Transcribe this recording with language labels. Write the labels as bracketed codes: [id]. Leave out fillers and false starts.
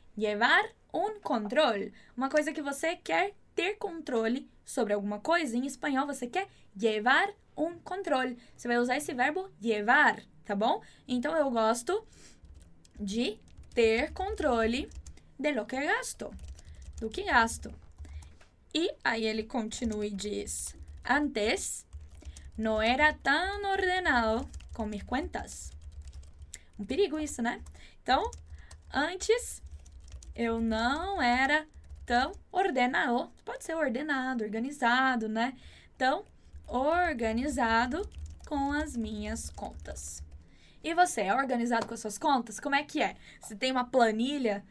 [es] Llevar un control. [pt] Uma coisa que você quer ter controle sobre alguma coisa, em espanhol você quer [es] llevar un control. [pt] Você vai usar esse verbo llevar, tá bom? Então, eu gosto de ter controle de [es] lo que gasto, [pt] do que gasto. E aí ele continua e diz, antes... [es] no era tan ordenado con mis cuentas. [pt] Um perigo isso, né? Então, antes eu não era tão ordenado. Pode ser ordenado, organizado, né? Tão organizado com as minhas contas. E você, é organizado com as suas contas? Como é que é? Você tem uma planilha?